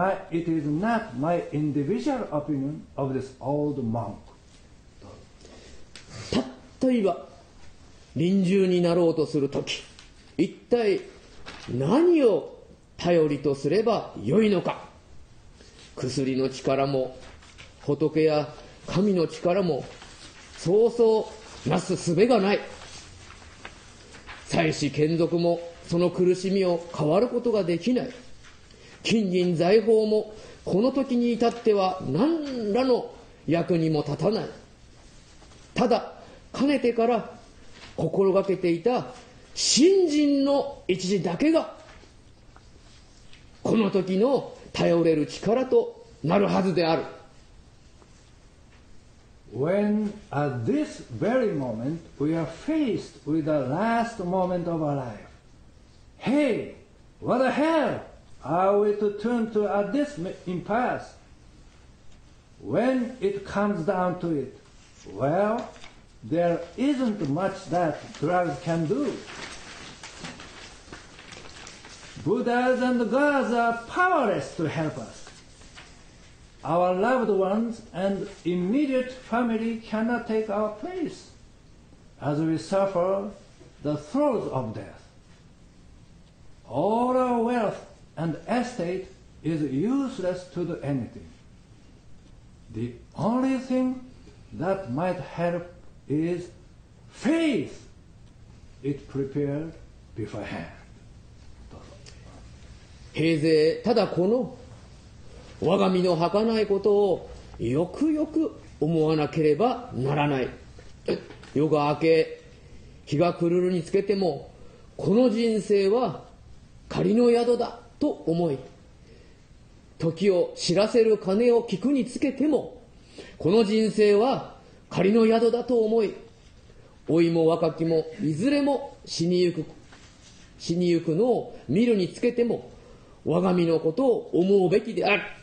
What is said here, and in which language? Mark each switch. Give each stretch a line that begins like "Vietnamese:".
English: It is not my individual opinion of this old monk.
Japanese: たった今臨終になろうとするとき、一体何を頼りとすればよいのか。薬の力も仏や神の力もそうそうなすすべがない。祭祀眷属もその苦しみを変わることができない。金銀財宝もこの時に至っては何らの役にも立たない。ただかねてから心がけていた信心の一字だけがこの時の頼れる力となるはずである。
English: When at this very moment we are faced with the last moment of our life, Hey, what the hellAre we to turn to at this impasse? When it comes down to it, well, there isn't much that drugs can do. Buddhas and gods are powerless to help us. Our loved ones and immediate family cannot take our place as we suffer the throes of death. All our wealth and estate is useless to do anything. The only thing that might help is faith it prepared beforehand.
Japanese: どうぞ。平勢、ただこの我が身の儚いことをよくよく思わなければならない。夜が明け、日が暮るるにつけてもこの人生は仮の宿だと思い、時を知らせる鐘を聞くにつけてもこの人生は仮の宿だと思い、老いも若きもいずれも死にゆくのを見るにつけても我が身のことを思うべきである。